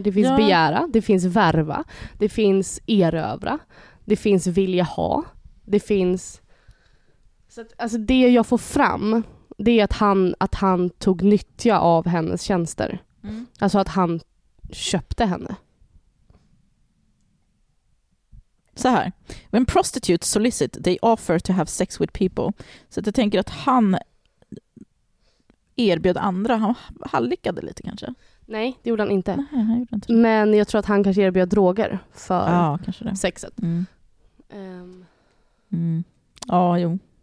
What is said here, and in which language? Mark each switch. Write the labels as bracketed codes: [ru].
[sv] Det finns begära, det finns värva, det finns erövra, det finns vilja ha, det finns... Så att, alltså det jag får fram, det är att han tog nyttja av hennes tjänster. Mm. Alltså att han köpte henne. Så här. [en] When prostitutes solicit, they offer to have sex with people. [sv] Så att jag tänker att han erbjöd andra. Han hallickade lite kanske. Nej, det gjorde han inte. Nej, han gjorde inte. Men jag tror att han kanske erbjöd droger för sexet. Mm. Ja, jo.